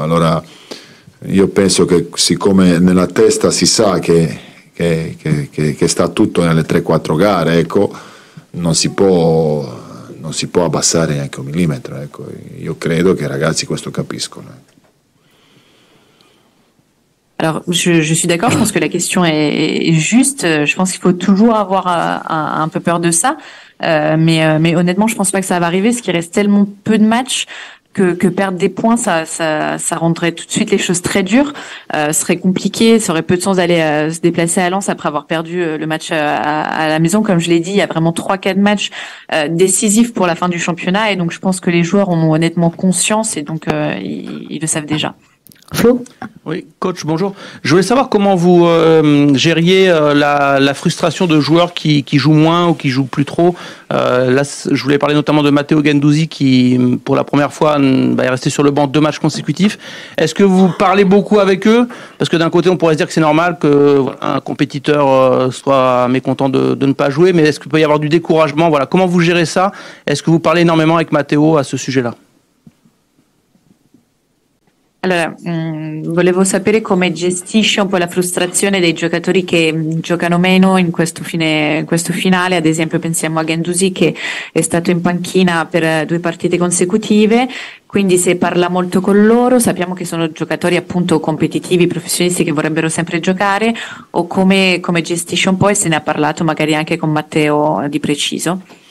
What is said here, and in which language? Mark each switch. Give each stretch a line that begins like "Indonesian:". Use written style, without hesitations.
Italian: Allora io penso che, siccome nella testa si sa che sta tutto nelle 3-4 gare, ecco, non si può abbassare neanche un millimetro, ecco. Io credo che i ragazzi questo capiscono.
French: Alors, je suis d'accord, je pense que la question est juste. Je pense qu'il faut toujours avoir un peu peur de ça. Mais honnêtement, je ne pense pas que ça va arriver, parce qu'il reste tellement peu de matchs que perdre des points, ça rendrait tout de suite les choses très dures. Serait compliqué, ça aurait peu de sens d'aller se déplacer à Lens après avoir perdu le match à la maison. Comme je l'ai dit, il y a vraiment 3-4 matchs décisifs pour la fin du championnat. Et donc, je pense que les joueurs ont honnêtement conscience et donc ils le savent déjà. Flo. Oui, coach, bonjour. Je voulais savoir comment vous gériez la frustration de joueurs qui jouent moins ou qui jouent plus trop. Là, je voulais parler notamment de Matteo Guendouzi qui, pour la première fois, est resté sur le banc 2 matchs consécutifs. Est-ce que vous parlez beaucoup avec eux? Parce que d'un côté, on pourrait se dire que c'est normal que un compétiteur soit mécontent de ne pas jouer, mais est-ce qu'il peut y avoir du découragement? Voilà, comment vous gérez ça? Est-ce que vous parlez énormément avec Matteo à ce sujet-là?
Italian: Allora, volevo sapere come gestisce un po' la frustrazione dei giocatori che giocano meno in questo finale. Ad esempio, pensiamo a Guendouzi, che è stato in panchina per 2 partite consecutive. Quindi se parla molto con loro, sappiamo che sono giocatori appunto competitivi, professionisti che vorrebbero sempre giocare, o come gestisce un po', e se ne ha parlato magari anche con Matteo di preciso?